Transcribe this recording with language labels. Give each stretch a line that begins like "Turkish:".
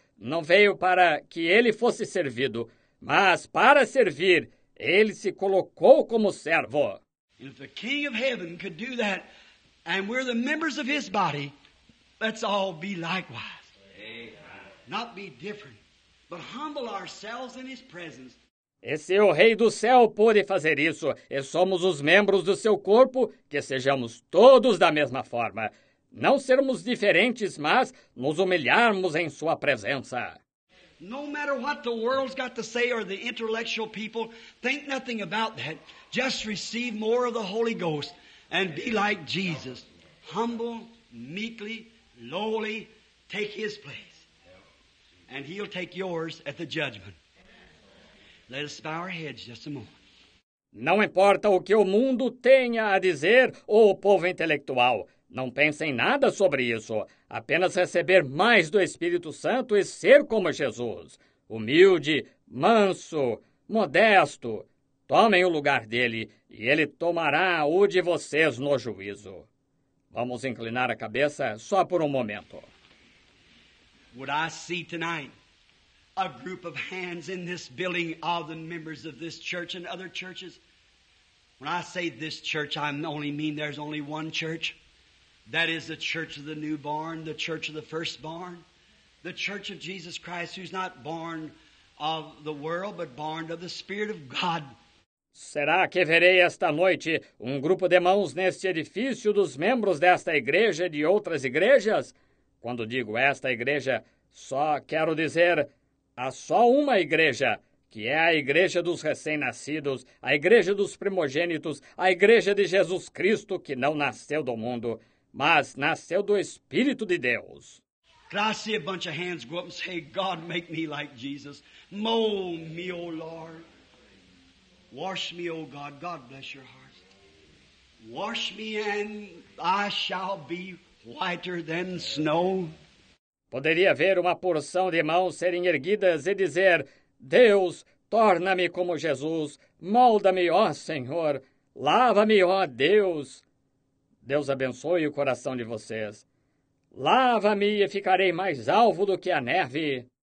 Portuguese: Não veio para que ele fosse servido. Mas para servir, ele se colocou como servo.
English: And if the King of Heaven could do that, and we're the members of his body, let's all be likewise. Amen. Not be different, but humble ourselves in his presence.
Portuguese: E se o Rei do Céu pôde fazer isso, e somos os membros do seu corpo, que sejamos todos da mesma forma. Não sermos diferentes, mas nos humilharmos em sua presença.
English: No matter what the world's got to say or the intellectual people, think nothing about that. Just receive more of the Holy Ghost and be like Jesus. Humble, meekly, lowly, take his place. And he'll take yours at the judgment. Let us bow our heads just a moment.
Portuguese: Não importa o que o mundo tenha a dizer ou o povo intelectual. Não pense em nada sobre isso. Apenas receber mais do Espírito Santo e ser como Jesus. Humilde, manso, modesto. Tomem o lugar dele e ele tomará o de vocês no juízo. Vamos inclinar a cabeça só por um momento.
English: Would I see tonight a group of hands in this building of the members of this church and other churches? When I say this church, I only mean there's only one church. That is the church of the newborn, the church of the firstborn, the church of Jesus Christ, who's not born of the world, but born of the Spirit of God.
Portuguese: Será que verei esta noite um grupo de mãos neste edifício dos membros desta igreja e de outras igrejas? Quando digo esta igreja, só quero dizer, há só uma igreja, que é a igreja dos recém-nascidos, a igreja dos primogênitos, a igreja de Jesus Cristo, que não nasceu do mundo, mas nasceu do Espírito de Deus.
English: Could I see a bunch of hands go up and say, God, make me like Jesus. Mold me, O Lord. Wash me, O God. God bless your hearts. Wash me and I shall be whiter than snow.
Portuguese: Poderia ver uma porção de mãos serem erguidas e dizer, Deus, torna-me como Jesus. Molda-me, ó Senhor. Lava-me, ó Deus. Deus abençoe o coração de vocês. Lava-me e ficarei mais alvo do que a neve.